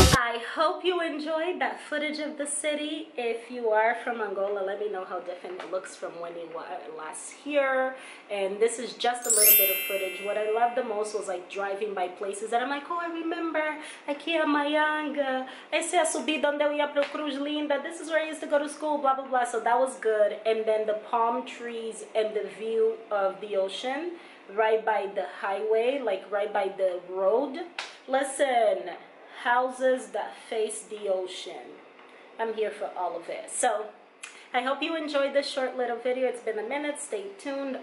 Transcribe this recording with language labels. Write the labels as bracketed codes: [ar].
[en] I hope you enjoyed that footage of the city. If you are from Angola, let me know how different it looks from when you were last here. And this is just a little bit of footage. What I loved the most was like driving by places that I'm like, oh, I remember. [pt] Aqui é Mayanga. Esse é a subida onde eu ia pro Cruz Linda. [en] This is where I used to go to school, blah, blah, blah. So that was good. And then the palm trees and the view of the ocean right by the highway, like right by the road. Listen, houses that face the ocean. I'm here for all of it. So I hope you enjoyed this short little video. It's been a minute. Stay tuned.